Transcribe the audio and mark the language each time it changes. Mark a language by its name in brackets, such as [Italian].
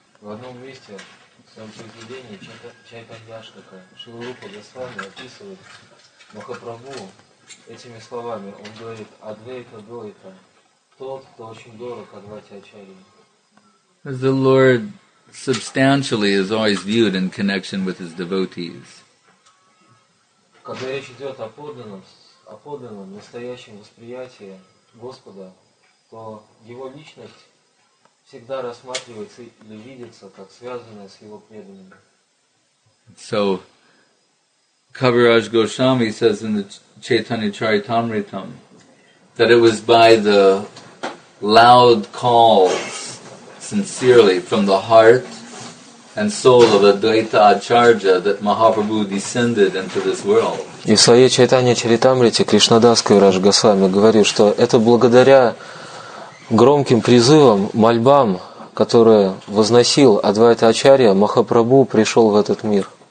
[Russian] В одном месте в своем произведении Чайтаньяштака Шрила Рупа Госвами описывает Махапрабху этими словами. Он говорит: Адвейта Дойта, тот, кто очень дорог Адвайте Ачарьи. [English] The Lord substantially is always viewed in connection with his devotees. [Russian] Когда речь идет о подлинном настоящем восприятии Господа, то его личность всегда рассматривается или видится как связанная с его преданными. [English] So, Kaviraj Goswami says in the Chaitanya Charitamritam that it was by the loud calls sincerely from the heart and soul of Advaita Acharya that Mahaprabhu descended into this world. [Russian] И в своей Чайтанья Чаритамрите Кришнадас Кавираж Госвами говорит, что это благодаря громким призывам, мольбам, которые возносил Адвайта Ачарья, Махапрабху пришел в этот мир.